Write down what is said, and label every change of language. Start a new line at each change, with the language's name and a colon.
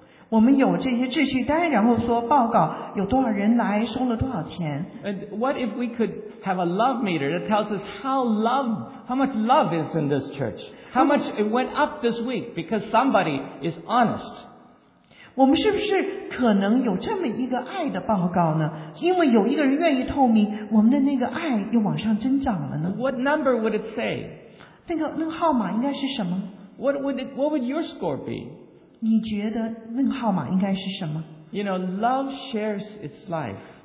Chinese: 我们有这些秩序单，然后说报告有多少人来，收了多少钱。
English: And what if we could have a love meter that tells us how much love is in this church? How much it went up this week because somebody is honest.
Chinese: 我们是不是可能有这么一个爱的报告呢？因为有一个人愿意透明，我们的那个爱又往上增长了呢？
English: What number would it say?
Chinese: 那个号码应该是什么？
English: What would your score be?
Chinese: 你觉得那个号码应该是什么？
English: You know, love shares its life.